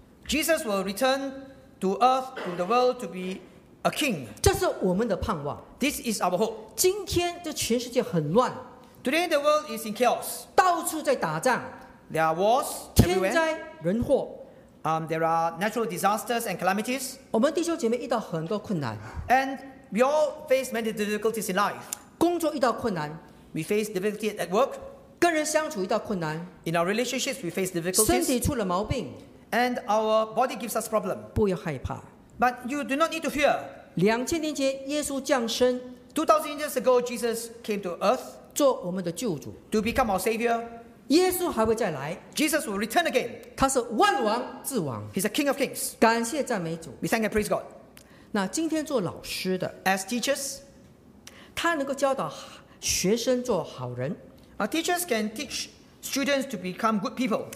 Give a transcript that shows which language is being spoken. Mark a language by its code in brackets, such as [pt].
[en] Jesus will return to earth, to the world, to be a king. [zh] 这是我们的盼望。 [en] This is our hope. [zh] 今天这全世界很乱。 [en] Today the world is in chaos. [zh] 到处在打仗。 [en] There are wars everywhere. [zh] 天灾人祸。 [en] There are natural disasters and calamities. [zh] 我们弟兄姐妹遇到很多困难。 [en] And we all face many difficulties in life. [zh] 工作遇到困难。 [en] We face difficulty at work. [zh] 跟人相处遇到困难 [en] ，In our relationships we face difficulties. [zh] 身体出了毛病 [en] ，And our body gives us problem. [zh] 不要害怕 [en] ，But you do not need to fear. [zh] 2000年前耶稣降生 [en] ，2000 years ago Jesus came to earth. [zh] 做我们的救主 [en] ，To become our savior. [zh] 耶稣还会再来 [en] ，Jesus will return again. [zh] 他是万王之王 [en] ，He's a king of kings. [zh] 感谢赞美主 [en] ，We thank and praise God. [zh] 那今天做老师的 [en] ，As teachers, [zh] 他能够教导学生做好人。 [en] Teachers can teach students to become good people.